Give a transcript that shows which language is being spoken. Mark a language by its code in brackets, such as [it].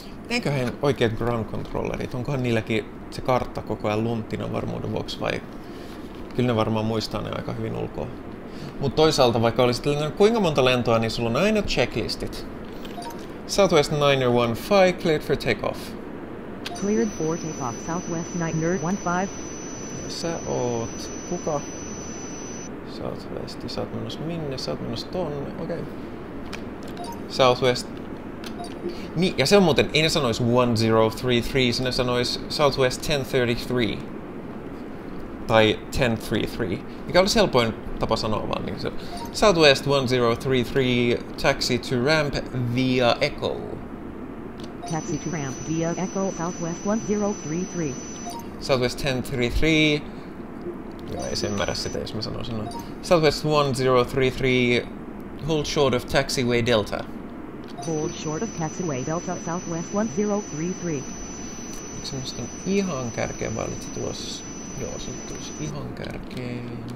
[fi] Eiköhän oikeat ground controllerit, onkohan niilläkin se kartta koko ajan lunttina varmuuden vuoksi, vai kyllä ne varmaan muistaa ne aika hyvin ulkoa. Mutta toisaalta, vaikka olisit lennänyt kuinka monta lentoa, niin sulla on aina checklistit. [en] Southwest 915, cleared for takeoff. Cleared for takeoff, southwest 915. [fi] Sä oot kuka? Southwest, sä oot menossa minne, sä oot menossa tonne, okei. Southwest. Niin, ja se on muuten, ei ne sanois 1033, sinne sanois Southwest 1033. Tai 1033, mikä olisi helpoin tapa sanoa vaan. Niin se, [en] Southwest 1033, taxi to ramp via Echo. Taxi to ramp via Echo, Southwest 1033. Southwest 1033. [fi] Joo, ei se ymmärrä sitä, jos mä sanoisin noin. [en] Southwest 1033, hold short of taxiway Delta. Hold short of taxiway Delta, Southwest 1033. [fi] Miksi musta on ihan kärkeä valitsi tuossa? Joo, se tuossa ihan kärkeen.